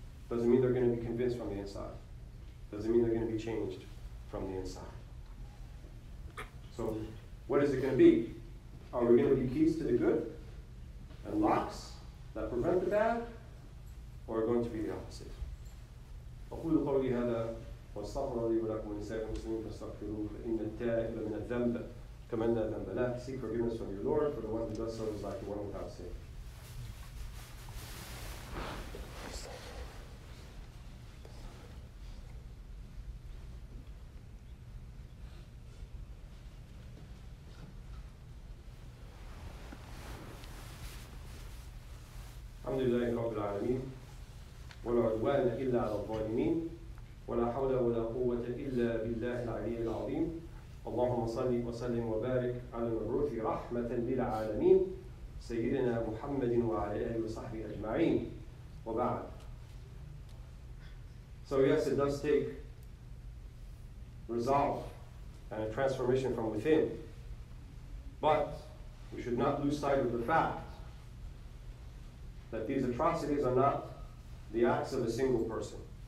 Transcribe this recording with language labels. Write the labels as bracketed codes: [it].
[en] Doesn't mean they're going to be convinced from the inside. Doesn't mean they're going to be changed from the inside. So what is it going to be? Are we going to be keys to the good and locks that prevent the bad? Or are going to be the opposite. [ar] أقول قولي هذا واستغفر لي ولكم ولسائر المسلمين فاستغفروه فإن التائب من الذنب كمن لا ذنب له. [en] Seek forgiveness from your Lord for the one who does so is like the one without sin. [ar] الحمد لله رب العالمين. ولا عدوان إلا على الظالمين ولا حول ولا قوة إلا بالله العلي العظيم اللهم صل وسلم وبارك على المبعوث رحمة للعالمين سيدنا محمد وعلى آله وصحبه أجمعين وبعد. [en] So yes, it does take resolve and a transformation from within, but we should not lose sight of the fact that these atrocities are not the acts of a single person.